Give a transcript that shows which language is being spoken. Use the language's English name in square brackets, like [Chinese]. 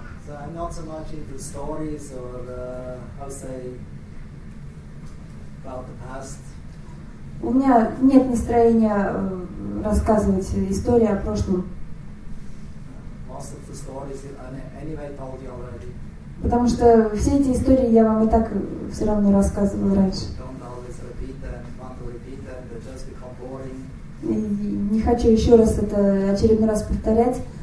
[English] So I'm not so much into stories or how say about the past. [Russian] У меня нет настроения рассказывать истории о прошлом. [English] Most of the stories anyway told you already. [Russian] Потому что все эти истории я вам и так все равно рассказывала раньше. [English] Don't always repeat them, want to repeat them, they just become boring. [Russian] И не хочу еще раз это очередной раз повторять.